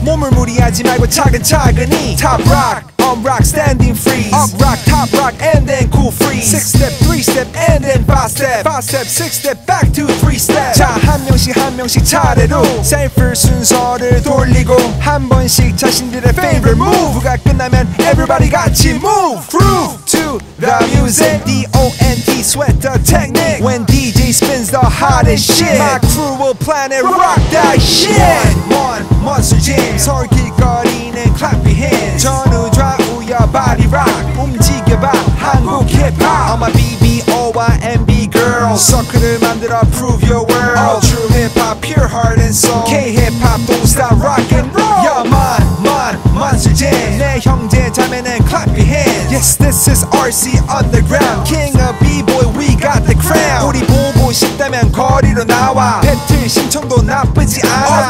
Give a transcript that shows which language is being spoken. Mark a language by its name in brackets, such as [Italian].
[Korean] 몸을 무리하지 말고 차근차근히 [English] Top rock Rock, standing freeze Up rock, top rock, and then cool freeze Six step, three step, and then five step Five step, six step, back to three step [Korean] 자, 한 명씩 차례로 셀프 순서를 돌리고 한 번씩 자신들의 [English] favorite move [Korean] 후가 끝나면 [English] everybody [Korean] 같이 [English] move Groove to the music D-O-N-T, sweat the technique When DJ spins the hottest shit My crew will planet rock that shit One, Monster Jam [Korean] 서울 길거리는 [English] clap your hands [Korean] 전우 [English] Body rock [Korean] 움직여봐 한국 힙합 [English] All my BBOY and B girls [Korean] Circle을 만들어 [English] prove your world All true hip-hop pure heart and soul K-hip-hop don't stop rock and roll Yeah, man, man, Monster Jam [Korean] 내 형제 자매는 [English] clap your hands Yes, this is RC Underground King of B-boy, we got the crown [Korean] 우리 보고 싶다면 거리로 나와 배틀 신청도 나쁘지 않아